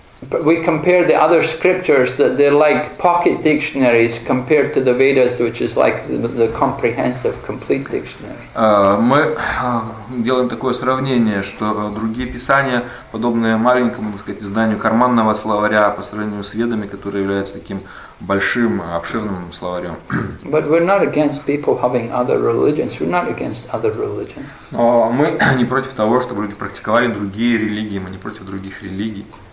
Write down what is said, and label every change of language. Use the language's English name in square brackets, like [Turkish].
[English] We compare the other scriptures that they're like pocket dictionaries compared to the Vedas, which is like the comprehensive, complete dictionary. [Russian] Мы делаем такое сравнение, что другие писания, подобные маленькому, так сказать, изданию карманного словаря по сравнению с Ведами, которые являются таким большим, обширным словарем. [English] But we're not against people having other religions. We're not against other religions. [Russian] Но мы не против того, чтобы люди практиковали другие религии. Мы не против других религий.